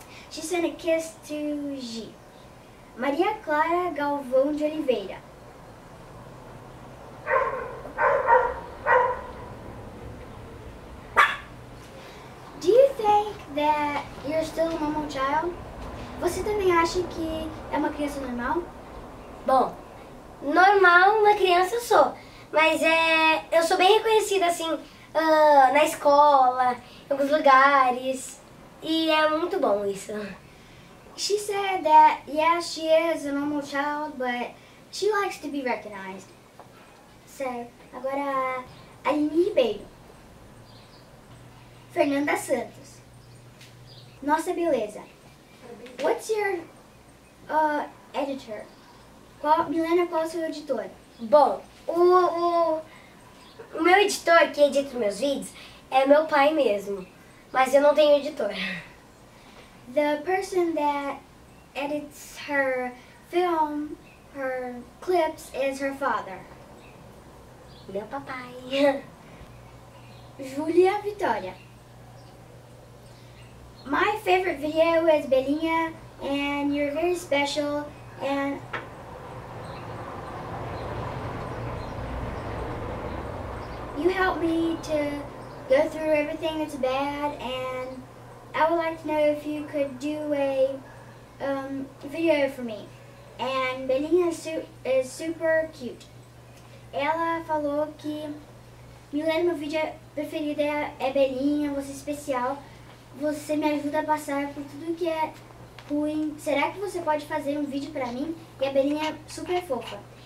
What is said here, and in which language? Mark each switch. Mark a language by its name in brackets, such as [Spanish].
[English] She sent a kiss to Gi. Maria Clara Galvão de Oliveira. Do you think that you're still a normal child? [Portuguese] Você também acha que é uma criança normal? Bom, normal uma criança eu sou, mas eu sou bem reconhecida assim na escola, em alguns lugares. E é muito bom isso. [English] She said that yes, she is a normal child, but she likes to be recognized. [Portuguese] So, agora Aline Ribeiro. Fernanda Santos. Nossa beleza. What's your editor? Milena, qual é o seu editor? Bom, o meu editor que edita meus vídeos é meu pai mesmo, mas eu não tenho editor. [English] The person that edits her film, her clips, is her father. [Portuguese] Meu papai. Julia Vitória. [English] My favorite video is Belinha, and you're very special, and you helped me to go through everything that's bad, and I would like to know if you could do a video for me. And Belinha is super cute. [Portuguese] Ela falou que Milena, meu vídeo preferido é Belinha, você é especial. Você me ajuda a passar por tudo que é ruim. Será que você pode fazer um vídeo pra mim? E a Belinha é super fofa.